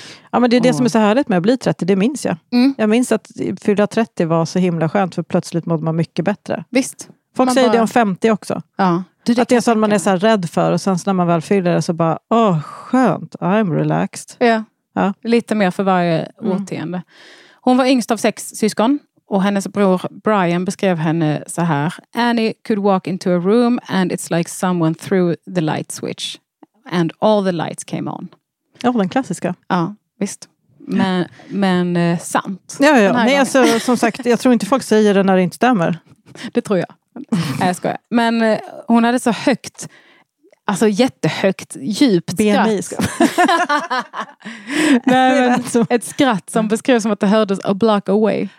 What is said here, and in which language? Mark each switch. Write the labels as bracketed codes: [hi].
[sv] Ja, men det är det som är så härligt med att bli 30, det minns jag. Mm. Jag minns att fylla 30 var så himla skönt, för plötsligt mådde man mycket bättre. Visst. Folk säger det om 50 också. Ja. Att det är sånt man är så här rädd för, och sen så när man väl fyller det så bara, åh, skönt, [en] I'm relaxed. [sv] Ja. Lite mer för varje årtionde. Hon var yngst av 6 syskon. Och hennes bror Brian beskrev henne så här: [en] Annie could walk into a room and it's like someone threw the light switch and all the lights came on. [sv] Ja, den klassiska. Ja, visst. Men, men sant. Ja, ja. Nej, alltså, som sagt, jag tror inte folk säger det när det inte stämmer. Det tror jag. Jag skojar. Men hon hade så högt, alltså jättehögt, djupt BMI. Skratt. Nej, men ett skratt som beskrevs som att det hördes [en] a block away.